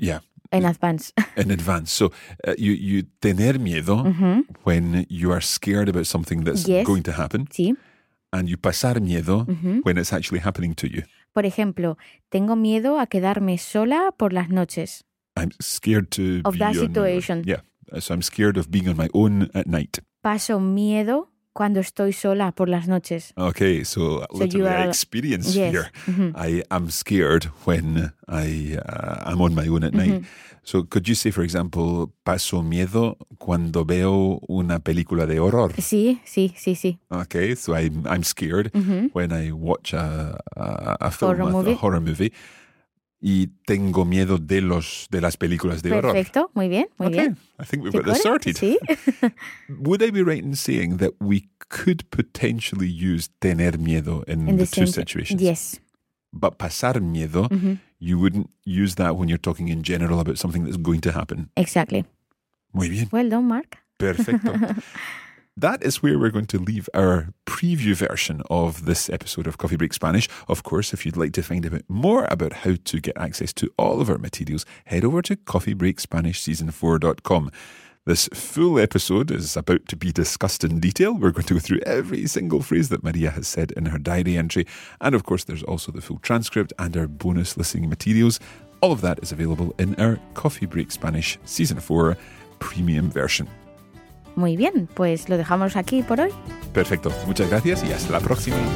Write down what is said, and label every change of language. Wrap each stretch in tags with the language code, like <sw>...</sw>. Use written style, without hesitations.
<en>Yeah. In advance. In advance. So, you tener miedo when you are scared about something that's going to happen.</en> <es>Sí.</es> <en>And you pasar miedo when it's actually happening to you.</en> <es>Por ejemplo, tengo miedo a quedarme sola por las noches.</es> <en>I'm scared to of be that on, situation. Yeah. So, I'm scared of being on my own at night.</en> <es>Paso miedo... Cuando estoy sola por las noches.</es> <en>Okay, so literally so I experience fear. Yes. I am scared when I'm on my own at night. So could you say, for example,</en> <es>paso miedo cuando veo una película de horror? Sí.</es> <en>Okay, so I'm scared when I watch a horror movie.</en> <es>Y tengo miedo de las películas de horror. Perfecto, muy bien, muy</es> <en>okay.</en> <es>bien.</es> <en>Okay, I think we've got this sorted.</en> <es>Sí.</es> <en>Would I be right in saying that we could potentially use tener miedo in the two situations? Yes. But pasar miedo, you wouldn't use that when you're talking in general about something that's going to happen. Exactly.</en> <es>Muy bien.</es> <en>Well done, Mark.</en> <es>Perfecto.</es> <en>That is where we're going to leave our preview version of this episode of Coffee Break Spanish. Of course, if you'd like to find out more about how to get access to all of our materials, head over to coffeebreakspanishseason4.com. This full episode is about to be discussed in detail. We're going to go through every single phrase that Maria has said in her diary entry. And of course, there's also the full transcript and our bonus listening materials. All of that is available in our Coffee Break Spanish Season 4 premium version.</en> <es>Muy bien, pues lo dejamos aquí por hoy. Perfecto, muchas gracias y hasta la próxima.</es>